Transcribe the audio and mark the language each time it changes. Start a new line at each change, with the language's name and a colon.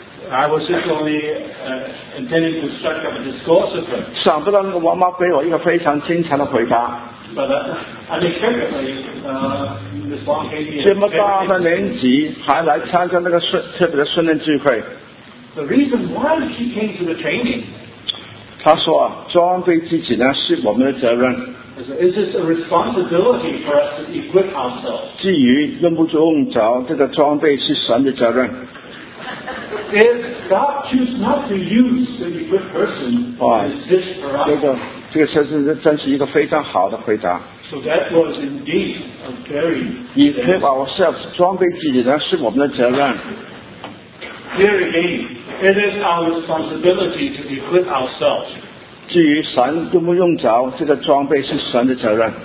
English: I was just only intending to strike up a discourse with her.
Chinese: 想不到那个王妈给我一个非常精彩的回答。
English: But unexpectedly, Miss Wong gave me a
Chinese: 这么大的年纪还来参加那个特别的训练聚会。
English: The reason why she came to the training.
Chinese: 她说啊，装备自己呢是我们的责任。
English: Is this a responsibility for us to equip ourselves?
Chinese: 至于用不用着这个装备是神的责任。
English: If God chooses not to use an equipped person, this for us.
Chinese: 这真是一个非常好的回答。
English: So that was indeed a very equip ourselves,
Chinese: 装备自己呢是我们的责任。
English: Here again, it is our responsibility to equip ourselves.
Chinese: 至于神用不用着这个装备是神的责任。